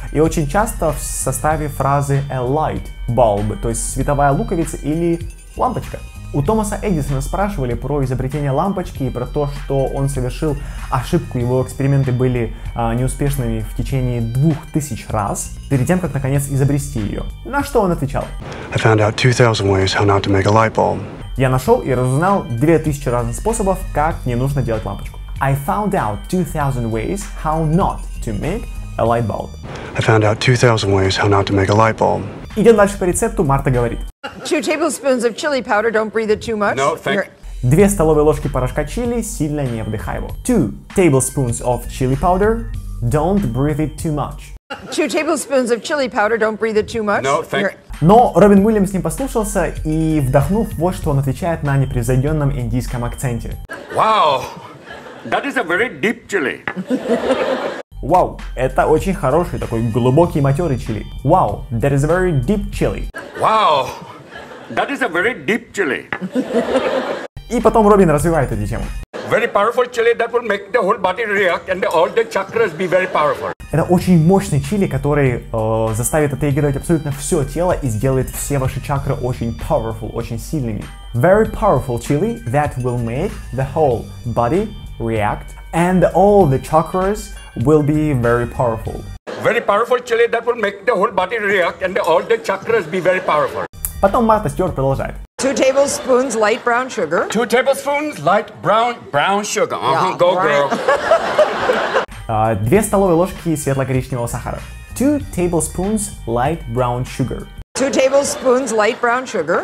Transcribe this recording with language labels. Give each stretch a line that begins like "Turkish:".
Russian: И очень часто в составе фразы
English: a light bulb,
Russian: то есть световая луковица или лампочка. У Томаса Эдисона спрашивали про изобретение лампочки и про то, что он совершил ошибку, его эксперименты были неуспешными в течение 2000 раз, перед тем, как наконец изобрести ее. На что он отвечал?
English: I found out 2000 ways how not to make a light bulb.
Russian: Я нашел и разузнал 2000 разных способов, как не нужно делать лампочку.
English: I found out 2000 ways how not to make a light bulb. I found out 2000 ways how not to make a light bulb.
Russian: Идем дальше по рецепту, Марта говорит.
English: Two tablespoons of chili powder, don't breathe it too much. No, thank you.
Russian: Две столовые ложки порошка чили, сильно не вдыхай его.
English: Two tablespoons of chili powder, don't breathe it too much. Two tablespoons of chili powder, don't breathe it too much. No, thank you.
Russian: Но Робин Уильямс не послушался и, вдохнув, вот что он отвечает на непревзойденном индийском акценте.
English: Wow, that is a very deep chili.
Russian: Вау, это очень хороший, такой глубокий матерый чили.
English: Вау, that is a very deep chili. Вау, that is a very deep chili.
Russian: И потом Робин развивает эту тему.
English: Very powerful chili that will make the whole body react and all the chakras be very powerful.
Russian: Это очень мощный чили, который заставит отреагировать абсолютно все тело и сделает все ваши чакры очень powerful, очень сильными.
English: Very powerful chili that will make the whole body react and all the chakras will be very powerful. Very powerful chili that will make the whole body react and all the chakras be very powerful.
Russian: Потом Марта Стюарт продолжает.
English: Two tablespoons light brown sugar. Two tablespoons light brown sugar. Uh-huh, yeah, go girl.
Russian: Две столовые ложки светло-коричневого сахара.
English: Two tablespoons light brown sugar. Two tablespoons light brown sugar.